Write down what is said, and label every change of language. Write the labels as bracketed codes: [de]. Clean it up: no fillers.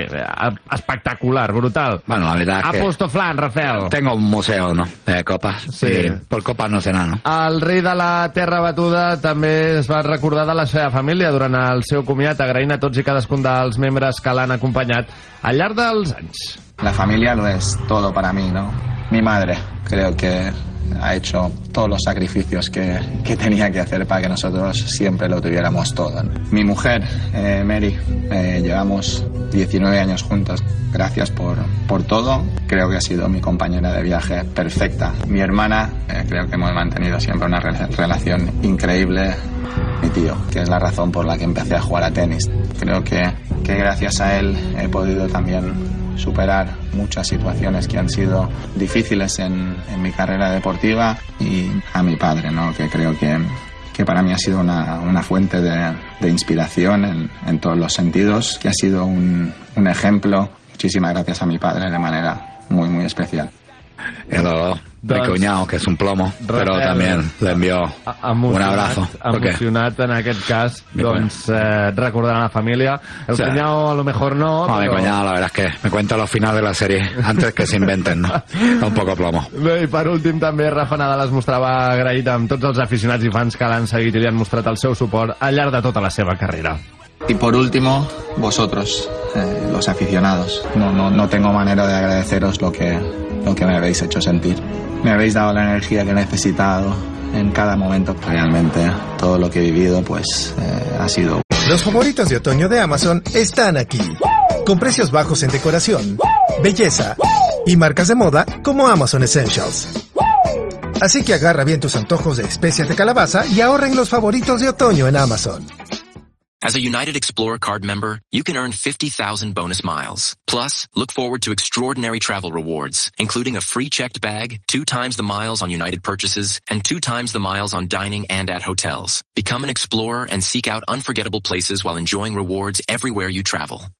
[ca] Bé, espectacular, brutal. Bueno, la veritat que... Apostoflan, Rafael. [es] Tengo un museo, ¿no?, de copas. Sí. Por copas no sé nada, ¿no? [ca] El rei de la terra batuda també es va recordar de la seva família durant el seu comiat, agraint a tots i cadascun dels membres que l'han acompanyat al llarg dels anys. [es] La família lo es todo para mí, ¿no? Mi madre, creo que ha hecho todos los sacrificios que tenía que hacer para que nosotros siempre lo tuviéramos todo, ¿no? Mi mujer, Mary, llevamos 19 años juntos. Gracias por todo. Creo que ha sido mi compañera de viaje perfecta. Mi hermana, creo que hemos mantenido siempre una relación increíble. Mi tío, que es la razón por la que empecé a jugar a tenis. Creo que gracias a él he podido también superar muchas situaciones que han sido difíciles en mi carrera deportiva, y a mi padre, ¿no?, que creo que para mí ha sido una fuente de inspiración en todos los sentidos, que ha sido un ejemplo. Muchísimas gracias a mi padre de manera muy, muy especial. [en] Hello. [ca] Mi cunyado, que és un plomo, Rafael, però també l'envio un abrazo. Emocionat, en aquest cas, doncs, recordarà la família. [es] El sí. Cunyado a lo mejor no, no, però... Mi cunyado, la verdad es que me cuenta los finales de la serie antes que se inventen, ¿no? Un poco plomo. [ca] Bé, i per últim també Rafa Nadal es mostrava agraït amb tots els aficionats i fans que l'han seguit i li han mostrat el seu suport al llarg de tota la seva carrera. [es] Y por último, vosotros, los aficionados. No tengo manera de agradeceros lo que me habéis hecho sentir. Me habéis dado la energía que he necesitado en cada momento. Realmente, todo lo que he vivido, pues, ha sido... Los favoritos de otoño de Amazon están aquí. Con precios bajos en decoración, belleza y marcas de moda como Amazon Essentials. Así que agarra bien tus antojos de especias de calabaza y ahorren los favoritos de otoño en Amazon. [en] As a United Explorer card member, you can earn 50,000 bonus miles. Plus, look forward to extraordinary travel rewards, including a free checked bag, 2x the miles on United purchases, and 2x the miles on dining and at hotels. Become an explorer and seek out unforgettable places while enjoying rewards everywhere you travel.